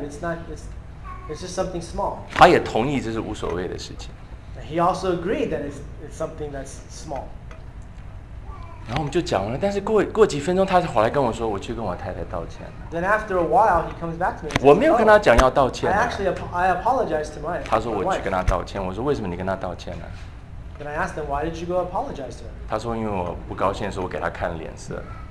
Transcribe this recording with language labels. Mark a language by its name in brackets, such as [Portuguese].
[English] It's just something small. [Chinese] 他也同意这是无所谓的事情。 [English] And he also agreed that it's something that's small. [Chinese] 然后我们就讲完了，但是过几分钟，他回来跟我说，我去跟我太太道歉了。 [English] Then after a while, he comes back to me. [Chinese] 我没有跟他讲要道歉。 [English] I apologized to my wife. [Chinese] 他说我去跟他道歉。我说为什么你跟他道歉呢？ [English] Then I asked him, why did you go apologize to her? [Chinese] 他说因为我不高兴的时候，我给他看脸色。